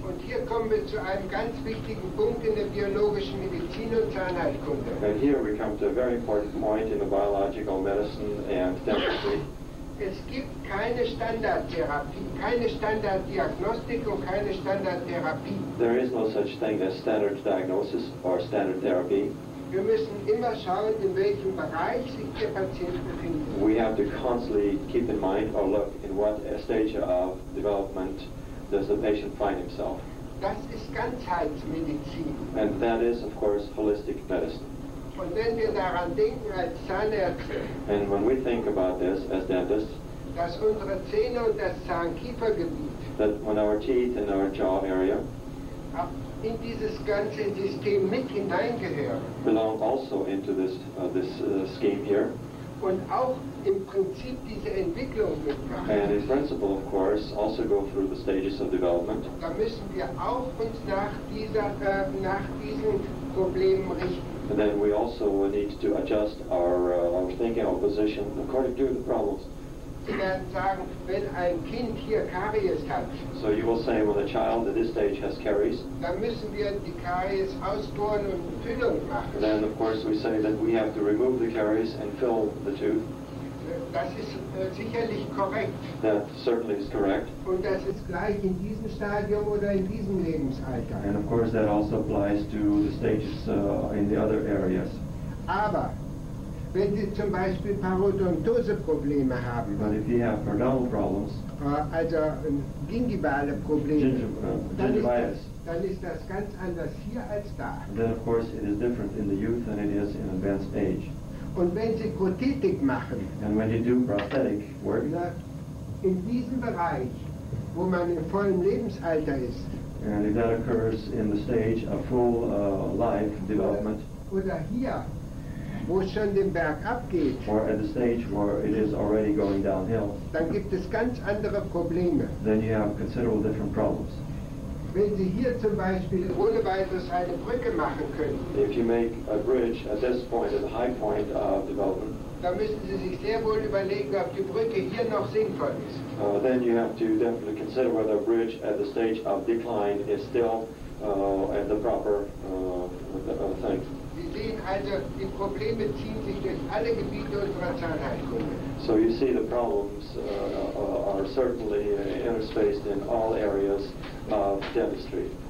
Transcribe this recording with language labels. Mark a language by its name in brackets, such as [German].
[German] Und hier kommen wir zu einem ganz wichtigen Punkt in der biologischen Medizin und Zahnheilkunde. [English] And here we come to a very important point in the biological medicine and dentistry. [German] Es gibt keine Standardtherapie, keine Standarddiagnostik und keine Standardtherapie. [English] There is no such thing as standard diagnosis or standard therapy. [German] Wir müssen immer schauen, in welchem Bereich sich der Patient befindet. [English] We have to constantly keep in mind or look in what stage of development does the patient find himself. [German] Das ist Ganzheitsmedizin. [English] And that is, of course, holistic medicine. [German] Und wenn wir daran denken als Zahnärzte, [English] and when we think about this as dentists, [German] dass unsere Zähne und das Zahnkiefergebiet, [English] that when our teeth and our jaw area, [German] in dieses ganze System mit hineingehören, [English] belong also into this scheme here, [German] und auch im Prinzip diese Entwicklung mitmachen, [English] and in principle, of course, also go through the stages of development, [German] da müssen wir auch uns nach diesen Problemen richten. [English] And then we also need to adjust our thinking, our position according to the problems. [German] Sie werden sagen, wenn ein Kind hier Karies hat. [English] So you will say, when a child at this stage has caries, [German] dann müssen wir die Karies ausbohren und Füllung machen. [English] Then of course we say that we have to remove the caries and fill the tooth. [German] Das ist sicherlich korrekt. [English] That certainly is correct. [German] Und das ist gleich in diesem Stadium oder in diesem Lebensalter. [English] And of course that also applies to the stages in the other areas. [German] Aber wenn Sie zum Beispiel Parodontose-Probleme haben, [English] but if you have periodontal problems, [German] also gingivale Probleme, [English] gingivitis, [German] dann ist das ganz anders hier als da. [English] Then of course it is different in the youth than it is in advanced age. [German] Und wenn Sie Prothetik machen, [English] and when you do prosthetic work, [German] in diesem Bereich, wo man im vollen Lebensalter ist, [English] and if that occurs in the stage of full life development, [German] oder hier, wo schon den Berg abgeht, [English] or at the stage where it is already going downhill, [German] dann gibt es ganz andere Probleme. [English] Then you have considerable different problems. [German] Wenn Sie hier zum Beispiel ohne weiteres eine Brücke machen können, [English] if you make a bridge at this point, at the high point of development, [German] dann müssen Sie sich sehr wohl überlegen, ob die Brücke hier noch sinnvoll ist. [English] Then you have to definitely consider whether a bridge at the stage of decline is still at the proper thing. [German] Sie sehen also, die Probleme ziehen sich durch alle Gebiete unserer Zahnheilkunde. [English] So you see the problems are certainly interspaced in all areas of dentistry.